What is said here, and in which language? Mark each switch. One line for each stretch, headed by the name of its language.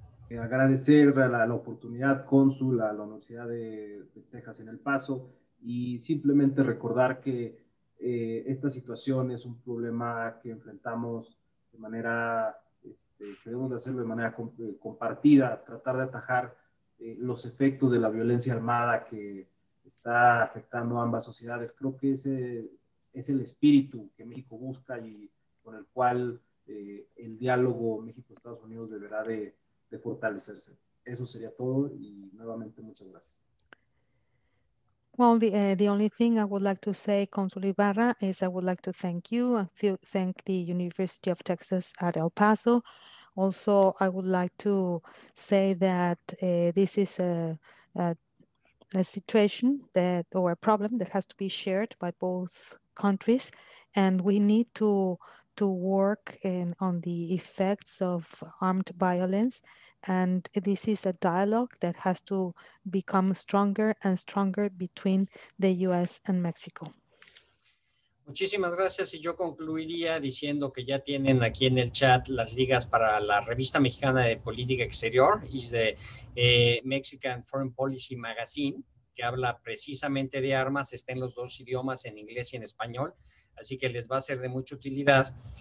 Spanish: Agradecer la oportunidad, cónsul, a la Universidad de Texas en El Paso, y simplemente recordar que esta situación es un problema que enfrentamos de manera, queremos hacerlo de manera compartida, tratar de atajar los efectos de la violencia armada que está afectando a ambas sociedades. Creo que ese es el espíritu que México busca y con el cual el diálogo México-Estados Unidos deberá de fortalecerse. Eso sería todo y nuevamente muchas gracias.
English: Well, the only thing I would like to say, Consul Ibarra, is I would like to thank you and thank the University of Texas at El Paso. Also, I would like to say that this is a situation that, or a problem that has to be shared by both countries, and we need to work on the effects of armed violence. And this is a dialogue that has to become stronger and stronger between the US and Mexico.
Spanish: Muchísimas gracias. Y yo concluiría diciendo que ya tienen aquí en el chat las ligas para la Revista Mexicana de Política Exterior,
English: is the Mexican Foreign Policy Magazine,
Spanish: que habla precisamente de armas, está en los dos idiomas, en inglés y en español, así que les va a ser de mucha utilidad.